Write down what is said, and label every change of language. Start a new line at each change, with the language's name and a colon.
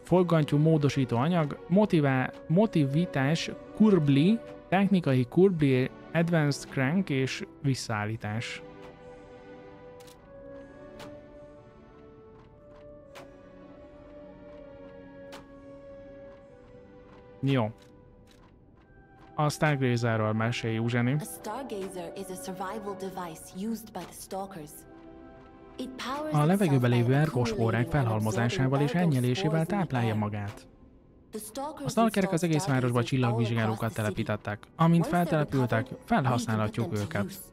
Hungarian: Fogantyú módosító anyag, motivitás, kurbli, technikai kurbli,
English: advanced crank
Hungarian: és visszaállítás. Jó. A Stargazerről mesélj, Eugenie.
English: A Stargazer is a survival device used by the stalkers.
Hungarian: A levegőben lévő ergospórák felhalmozásával és elnyelésével táplálja magát. A stalkerek az egész városba csillagvizsgálókat telepítettek. Amint feltelepültek, felhasználhatjuk őket.